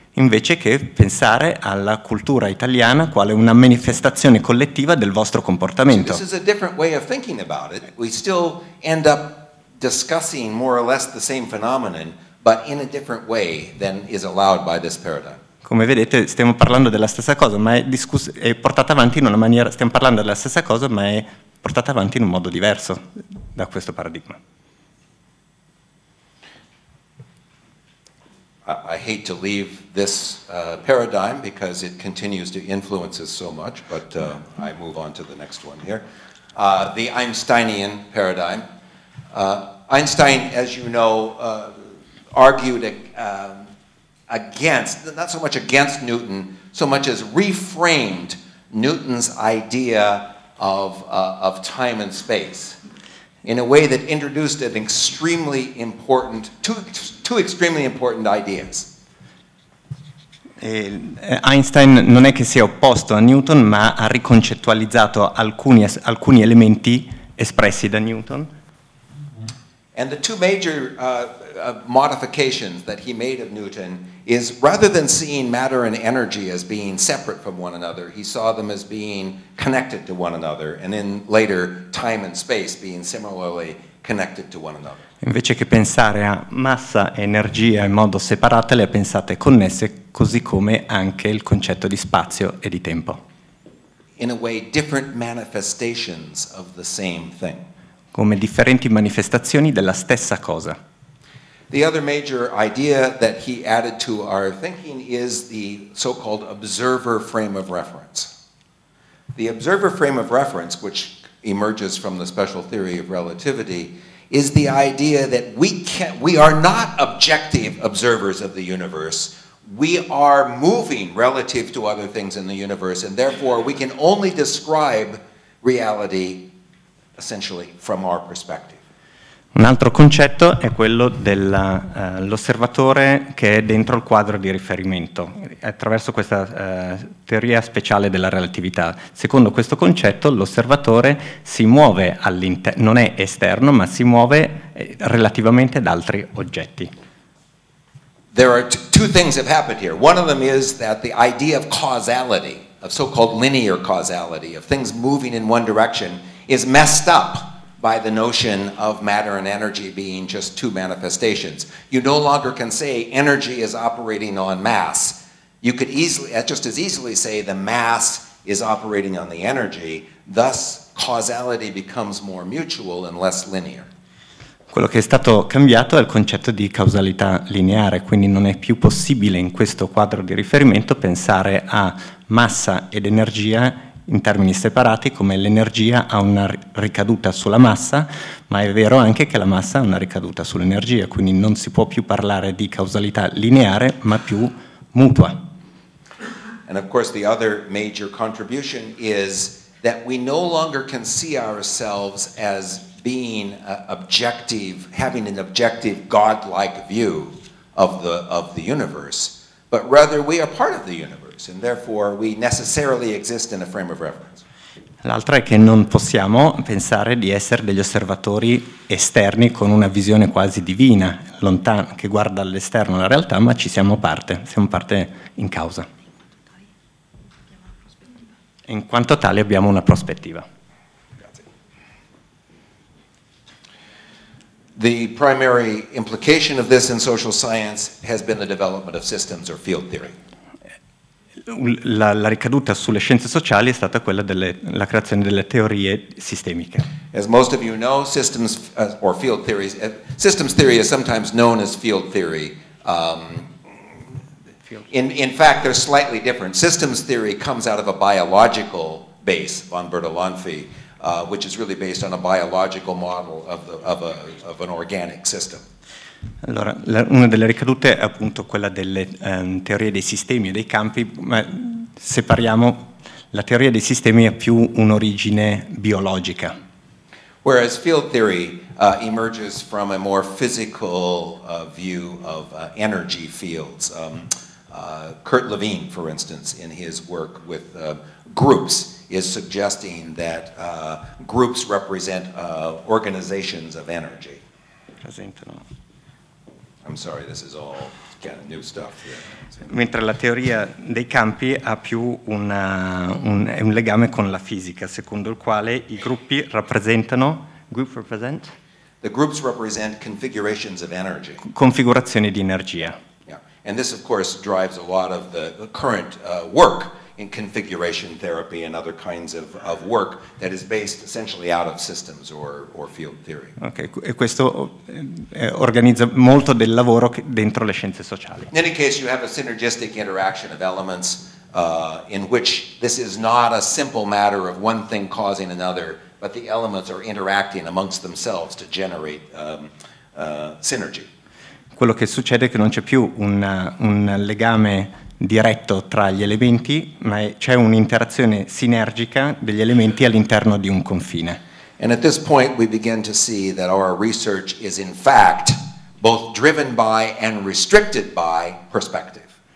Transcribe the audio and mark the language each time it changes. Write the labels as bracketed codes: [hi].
[it] Invece che pensare alla cultura italiana quale una manifestazione collettiva del vostro comportamento. [en] So this is a different way of thinking about it. We still end up discussing more or less the same phenomenon, but in a different way than is allowed by this paradigm. [it] Come vedete, stiamo parlando della stessa cosa, ma è portata avanti in una maniera. Stiamo parlando della stessa cosa, ma è portata avanti in un modo diverso da questo paradigma. [en] I hate to leave this paradigm because it continues to influence us so much, but I move on to the next one here, the Einsteinian paradigm. Einstein, as you know, argued against, not so much against Newton, so much as reframed Newton's idea of time and space in a way that introduced an extremely important, two extremely important ideas. [it] Einstein non è che si è opposto a Newton, ma ha riconcettualizzato alcuni elementi espressi da Newton. [en] And the two major modifications that he made of Newton is, rather than seeing matter and energy as being separate from one another, he saw them as being connected to one another, and then later time and space being similarly connected to one another. [it] Invece che pensare a massa e energia in modo separato, le ha pensate connesse, così come anche il concetto di spazio e di tempo. [en] In a way, different manifestations of the same thing. [it] Come differenti manifestazioni della stessa cosa. [en] The other major idea that he added to our thinking is the so-called observer frame of reference. The observer frame of reference, which emerges from the special theory of relativity, is the idea that we are not objective observers of the universe. We are moving relative to other things in the universe, and therefore we can only describe reality essentially from our perspective. [it] Un altro concetto è quello dell'osservatore che è dentro il quadro di riferimento, attraverso questa teoria speciale della relatività. Secondo questo concetto, l'osservatore si muove all'interno, non è esterno, ma si muove relativamente ad altri oggetti. [en] There are two things that happened here. One of them is that the idea of causality, of so-called linear causality, of things moving in one direction, is messed up by the notion of matter and energy being just two manifestations. You no longer can say energy is operating on mass. You could just as easily say the mass is operating on the energy. Thus, causality becomes more mutual and less linear. [it] Quello che è stato cambiato è il concetto di causalità lineare, quindi non è più possibile in questo quadro di riferimento pensare a massa ed energia in termini separati, come l'energia ha una ricaduta sulla massa, ma è vero anche che la massa ha una ricaduta sull'energia, quindi non si può più parlare di causalità lineare, ma più mutua. [en] And of course the other major contribution is that we no longer can see ourselves as being objective, having an objective godlike view of the universe, but rather we are part of the universe. And therefore we necessarily exist in a frame of reference. [it] L'altra è che non possiamo pensare di essere degli osservatori esterni con una visione quasi divina, lontana, che guarda all'esterno la realtà, ma ci siamo parte in causa. In quanto tale abbiamo una prospettiva. Grazie. [en] The primary implication of this in social science has been the development of systems or field theory. [it] La ricaduta sulle scienze sociali è stata quella della creazione delle teorie sistemiche. [en] As most of you know, systems or field theories, systems theory is sometimes known as field theory. In fact, they're slightly different. Systems theory comes out of a biological base, von Bertalanffy, which is really based on a biological model of an organic system. [it] Allora, una delle ricadute è appunto quella delle teorie dei sistemi e dei campi, ma separiamo, la teoria dei sistemi ha più un'origine biologica. [en] Whereas field theory emerges from a more physical view of energy fields. Kurt Lewin, for instance, in his work with groups, is suggesting that groups represent organizations of energy. [it] Presentano. [en] I'm sorry, this is all kind of new stuff here. [it] Mentre la teoria dei campi ha più un legame con la fisica, secondo il quale i gruppi rappresentano, [en] group represent? The groups represent configurations of energy. [it] Configurazioni di energia. [en] Yeah. And this, of course, drives a lot of the current work in configuration therapy and other kinds of work that is based essentially out of systems or field theory. [it] Okay, e questo organizza molto del lavoro dentro le scienze sociali. [en] In any case, you have a synergistic interaction of elements in which this is not a simple matter of one thing causing another, but the elements are interacting amongst themselves to generate synergy. [it] Quello che succede è che non c'è più un legame diretto tra gli elementi, ma c'è un'interazione sinergica degli elementi all'interno di un confine. [en] And at this point we begin to see that our research is in fact both driven by and restricted by perspective.